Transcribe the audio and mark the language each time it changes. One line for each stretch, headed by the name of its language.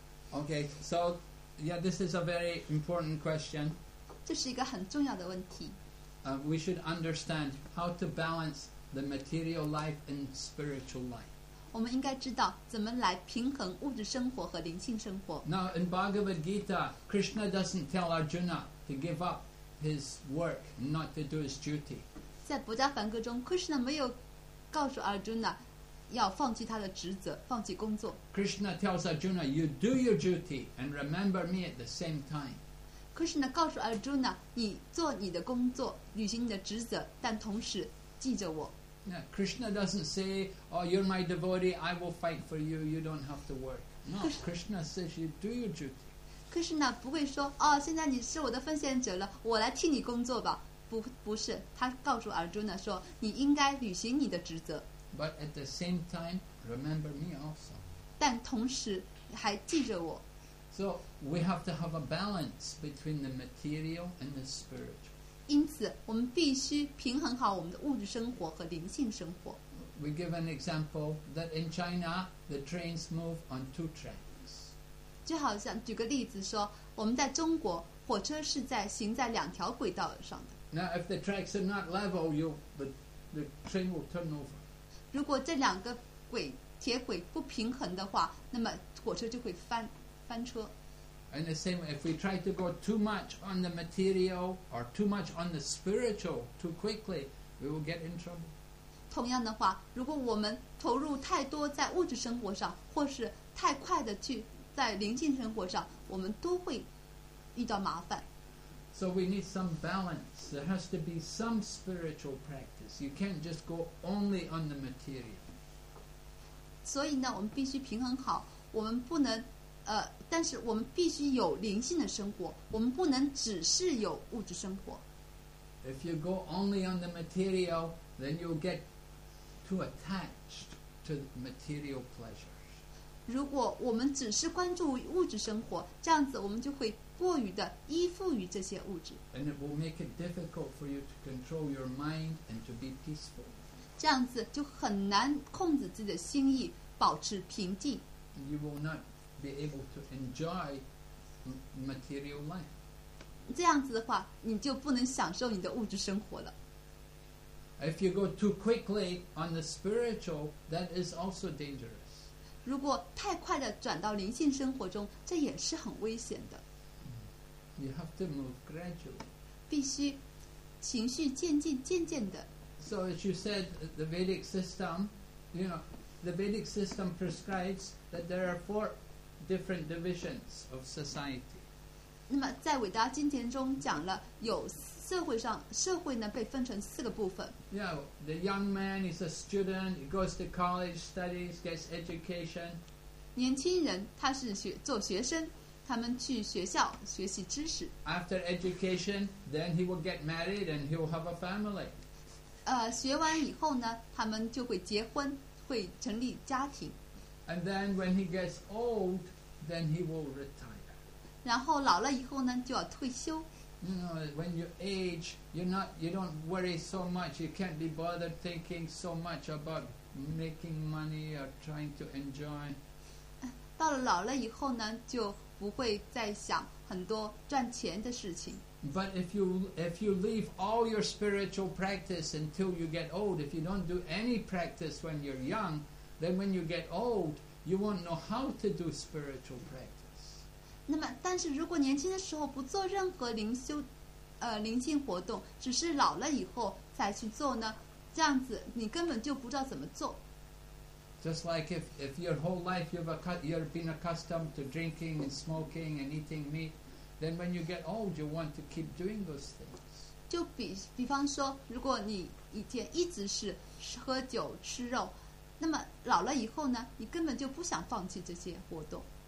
English: OK, so yeah, this is a very important question.
Chinese: 这是一个很重要的问题。
English: We should understand how to balance the material life and spiritual life.
Chinese: 我们应该知道怎么来平衡物质生活和灵性生活。
English: Now, in Bhagavad Gita, Krishna doesn't tell Arjuna to give up his work, not to do his duty.
Chinese: 在《博迦梵歌》中 ，Krishna 没有告诉 Arjuna 要放弃他的职责，放弃工作。
English: Krishna tells Arjuna, "You do your duty and remember me at the same time."
Chinese: Krishna 告诉 Arjuna, 你做你的工作，履行你的职责，但同时记着我。
English: Now, Krishna doesn't say, "Oh, you're my devotee. I will fight for you. You don't have to work." No, Krishna says, "You do your duty."
Chinese: Krishna 不会说，哦，现在你是我的奉献者了，我来替你工作吧。不是，他告诉 Arjuna 说，你应该履行你的职责。
English: But at the same time, remember me also.
Chinese: 但同时还记着我。
English: So we have to have a balance between the material and the spiritual.
Chinese: 因此，我们必须平衡好我们的物质生活和灵性生活。
English: We give an example that in China the trains move on two tracks.
Chinese: 就好像举个例子说，我们在中国火车是在行在两条轨道上的。
English: Now if the tracks are not level, the train will turn over.
Chinese: 如果这两个铁轨不平衡的话，那么火车就会翻。
English: And the same way, if we try to go too much on the material or too much on the spiritual too quickly, we will get in trouble.
Chinese: 同样的话，如果我们投入太多在物质生活上，或是太快的去在灵性生活上，我们都会遇到麻烦。
English: So we need some balance. There has to be some spiritual practice. You can't just go only on the material.
Chinese: 所以呢，我们必须平衡好。我们不能，但是我们必须有灵性的生活。我们不能只是有物质生活。
English: If you go only on the material, then you'll get too attached to material pleasure.
Chinese: 如果我们只是关注物质生活，这样子我们就会过于的依附于这些物质。
English: And it will make it difficult for you to control your mind and to be peaceful.
Chinese: 这样子就很难控制自己的心意，保持平静。
English: You will not be able to enjoy material life.
Chinese: 这样子的话，你就不能享受你的物质生活了。
English: If you go too quickly on the spiritual, that is also dangerous.
Chinese: 如果太快地转到灵性生活中，这也是很危险的。
English: You have to move gradually.
Chinese: 必须情绪渐进，渐渐地。
English: So as you said, the Vedic system, you know, the Vedic system prescribes that there are four different divisions of society.
Chinese: 那么在伟达经典中讲了，有社会上社会呢被分成四个部分。
English: Yeah, the young man is a student. He goes to college, studies, gets education.
Chinese: 年轻人他是学做学生，他们去学校学习知识。
English: After education, then he will get married and he will have a family.
Chinese: 学完以后呢，他们就会结婚，会成立家庭。
English: And then when he gets old, then he will retire.
Chinese: 然后老了以后呢，就要退休。
English: You know, when you age, you don't worry so much. You can't be bothered thinking so much about making money or trying to enjoy.
Chinese: 到了老了以后呢，就不会再想很多赚钱的事情。
English: But if you leave all your spiritual practice until you get old, if you don't do any practice when you're young, then when you get old, you won't know how to do spiritual practice.
Chinese: 那么，但是如果年轻的时候不做任何灵修，灵性活动，只是老了以后再去做呢？这样子你根本就不知道怎么做。
English: Just like if your whole life you've been accustomed to drinking and smoking and eating meat, then when you get old, you want to keep doing those things.
Chinese: 就比方说，如果你以前一直是喝酒吃肉，那么老了以后呢，你根本就不想放弃这些活动。